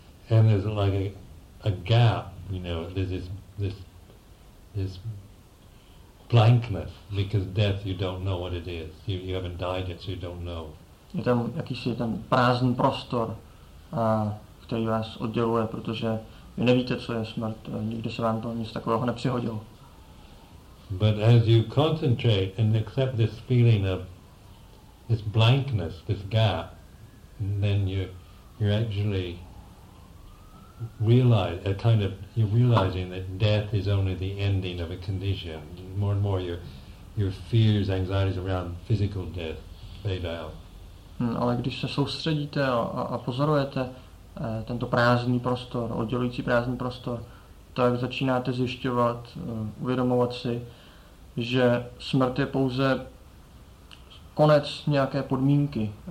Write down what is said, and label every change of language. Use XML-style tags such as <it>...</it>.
<en>And there's like a gap, you know, this blankness, because death, you don't know what it is. You haven't died yet, so you don't know.</en> <cs>Je tam jakýsi ten prázdný prostor, který vás odděluje, protože vy nevíte, co je smrt, nikdy se vám to nic takového nepřihodilo.</cs> <en>But as you concentrate and accept this feeling of this blankness, this gap, then you're actually realize a kind of you're realizing that death is only the ending of a condition. More and more your fears, anxieties around physical death fade out.</en> <cs>Ale když se soustředíte a pozorujete tento prázdný prostor, oddělující prázdný prostor, tak začínáte zjišťovat, uvědomovat si, že smrt je pouze konec nějaké podmínky.</cs>